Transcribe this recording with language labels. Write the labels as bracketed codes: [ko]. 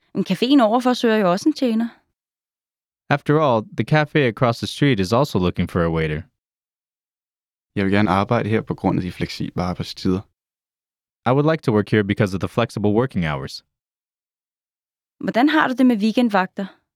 [da] Caféen overfor søger jo også en tjener. [en] After all, the café across the street is also looking for a waiter. [da] Jeg vil gerne arbejde her på grund af de fleksible arbejdstider. [en] I would like to work here because of the flexible working hours. [da] Hvordan har du det med weekendvagter?